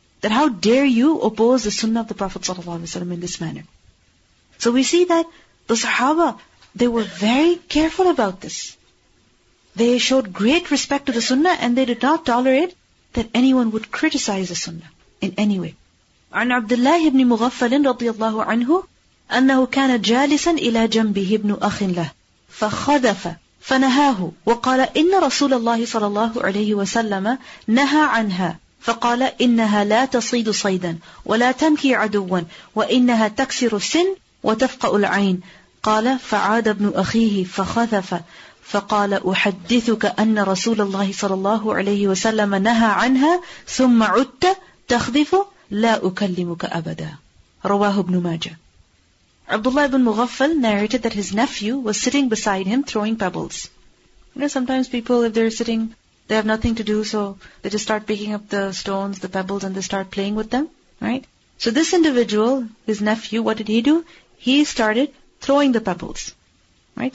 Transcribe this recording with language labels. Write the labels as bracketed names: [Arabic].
[English] That how dare you oppose the sunnah of the Prophet ﷺ in this manner. So we see that the Sahaba, they were very careful about this. They showed great respect to the sunnah and they did not tolerate that anyone would criticize the sunnah in any way. [Arabic] عن عبد الله بن مغفل رضي الله عنه أنه كان جالسا إلى جنبه ابن أخ له فخذف فنهاه وقال إن رسول الله صلى الله عليه وسلم نهى عنها فقال إنها لا تصيد صيدا ولا تنكي عدوا وإنها تكسر السن وتفقأ العين. قال فعاد ابن أخيه فخذف فقال أحدثك أن رسول الله صلى الله عليه وسلم نهى عنها ثم عدت تخذف لا أكلمك أبدا رواه ابن ماجه. [English] Abdullah ibn Mughaffal narrated that his nephew was sitting beside him throwing pebbles. You know, sometimes people, if they're sitting, they have nothing to do, so they just start picking up the stones, the pebbles, and they start playing with them, right? So this individual, his nephew, what did he do? He started throwing the pebbles, right?